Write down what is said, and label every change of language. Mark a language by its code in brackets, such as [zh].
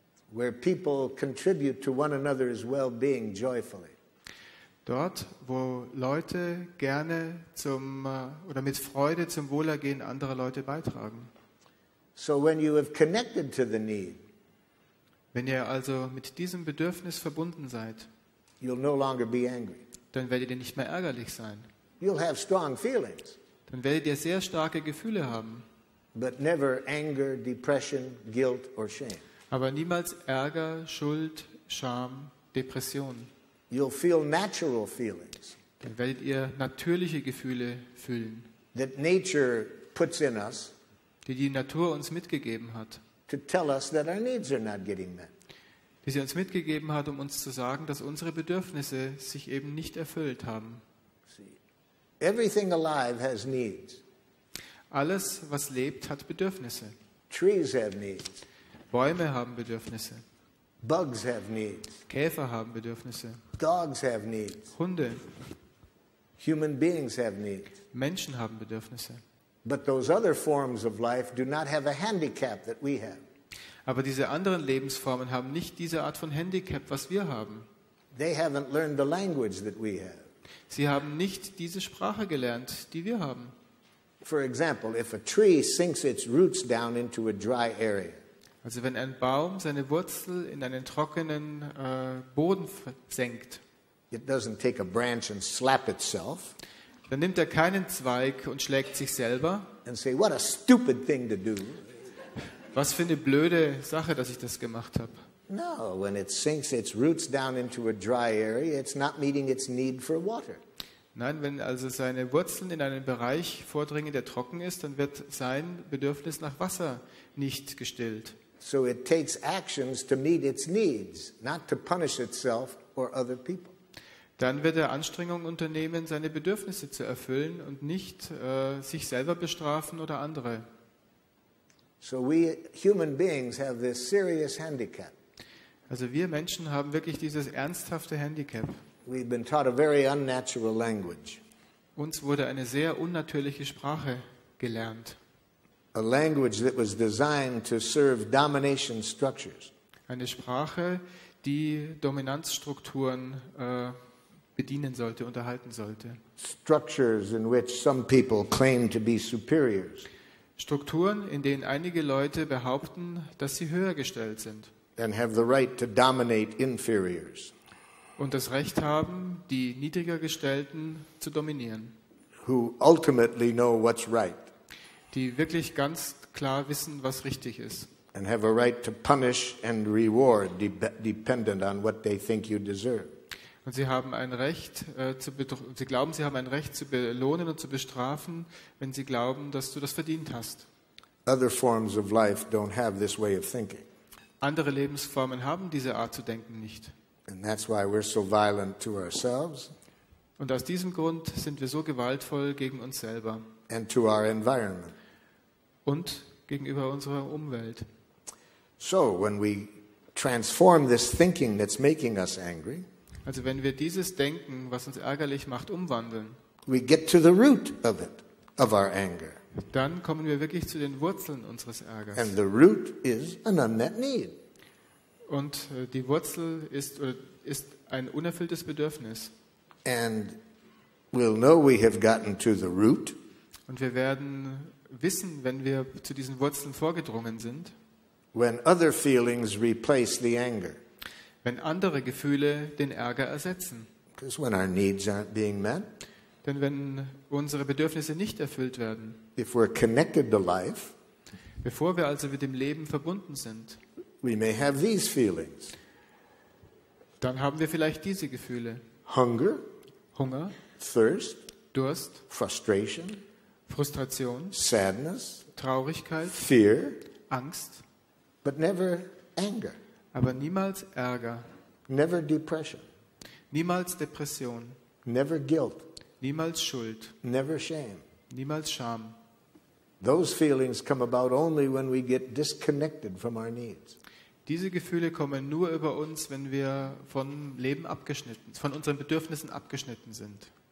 [en] Where people contribute to one another's well-being joyfully. [de] Dort, wo Leute gerne zum oder mit Freude zum Wohlergehen anderer Leute beitragen. [en] So when you have connected to the need. [de] Wenn ihr also mit diesem Bedürfnis verbunden seid, [en] you'll no longer be angry. [de] Dann werdet ihr nicht mehr ärgerlich sein. [en] You'll have strong feelings. [de] Dann werdet ihr sehr starke Gefühle haben. [en] But never anger, depression, guilt or shame. [de] Aber niemals Ärger, Schuld, Scham, Depression. [en] You'll feel natural feelings. [de] Dann werdet ihr natürliche Gefühle fühlen. [en] That nature puts in us. [de] Die Natur uns mitgegeben hat. [en] To tell us that our needs are not getting met. [de] Die sie uns mitgegeben hat, um uns zu sagen, dass unsere Bedürfnisse sich eben nicht erfüllt haben. [en] See, everything alive has needs. [de] Alles, was lebt, hat Bedürfnisse. [en] Trees have needs. [de] Bäume haben Bedürfnisse. [en] Bugs have needs. [de] Käfer haben Bedürfnisse. [en] Dogs have needs. [de] Hunde. [en] Human beings have needs. [de] Menschen haben Bedürfnisse. [en] But those other forms of life do not have a handicap that we have. [de] Aber diese anderen Lebensformen haben nicht diese Art von Handicap, was wir haben. [en] They haven't learned the language that we have. [de] Sie haben nicht diese Sprache gelernt, die wir haben. [en] For example, if a tree sinks its roots down into a dry area. [de] Also wenn ein Baum seine Wurzel in einen trockenen Boden senkt. [en] It doesn't take a branch and slap itself. [de] Dann nimmt er keinen Zweig und schlägt sich selber. [en] And say, what a stupid thing to do. [de] Was für eine blöde Sache, dass ich das gemacht habe. [en] No, when it sinks its roots down into a dry area, it's not meeting its need for water. [de] Nein, wenn also seine Wurzeln in einen Bereich vordringen, der trocken ist, dann wird sein Bedürfnis nach Wasser nicht gestillt. [en] So it takes actions to meet its needs, not to punish itself or other people. [de] Dann wird er Anstrengungen unternehmen, seine Bedürfnisse zu erfüllen und nicht sich selber bestrafen oder andere. [en] So we human beings have this serious handicap. [de] Also wir Menschen haben wirklich dieses ernsthafte Handicap. [en] We've been taught a very unnatural language. [de] Uns wurde eine sehr unnatürliche Sprache gelernt. [en] A language that was designed to serve domination structures. [de] Eine Sprache, die Dominanzstrukturen bedienen sollte, unterhalten sollte. [en] Structures in which some people claim to be superiors. [de] Strukturen, in denen einige Leute behaupten, dass sie höher gestellt sind. [en] And have the right to dominate inferiors. [de] Und das Recht haben, die niedriger gestellten zu dominieren. [en] Who ultimately know what's right. [de] Die wirklich ganz klar wissen, was richtig ist. [en] And have a right to punish and reward dependent on what they think you deserve. [de] Und sie haben ein Recht sie glauben, sie haben ein Recht zu belohnen und zu bestrafen, wenn sie glauben, dass du das verdient hast. [en] Other forms of life don't have this way of thinking. [de] Andere Lebensformen haben diese Art zu denken nicht. [en] And that's why we're so violent to ourselves. [de] Und aus diesem Grund sind wir so gewaltvoll gegen uns selber. [en] And to our environment. [de] Und gegenüber unserer Umwelt. [en] So when we transform this thinking that's making us angry, [de] also wenn wir dieses Denken, was uns ärgerlich macht, umwandeln, [en] we get to the root of it, of our anger. [de] Dann kommen wir wirklich zu den Wurzeln unseres Ärgers. [en] And the root is an unmet need. [de] Und die Wurzel ist ein unerfülltes Bedürfnis. [en] And we'll know we have gotten to the root. [de] Und wir werden wissen, wenn wir zu diesen Wurzeln vorgedrungen sind, [en] when other feelings replace the anger. [de] Wenn andere Gefühle den Ärger ersetzen. [en] Because when our needs aren't being met. [de] Denn wenn unsere Bedürfnisse nicht erfüllt werden. [en] If we're connected to life. [de] Bevor wir also mit dem Leben verbunden sind. [en] We may have these feelings. [de] Dann haben wir vielleicht diese Gefühle. [en] Hunger. [de] Hunger. [en] Thirst. [de] Durst. [en] Frustration. [de] Frustration. [en] Sadness. [de] Traurigkeit. [en] Fear. [de] Angst. [en] But never anger. [de] Aber niemals Ärger. [en] Never depression. [de] Niemals Depression. [en] Never guilt. [de] Niemals Schuld. [en] Never shame. [de] Niemals Scham. [en] Those feelings come about only when we get disconnected from our needs. [de] Diese Gefühle kommen nur über uns, wenn wir vom Leben abgeschnitten, von unseren Bedürfnissen abgeschnitten sind.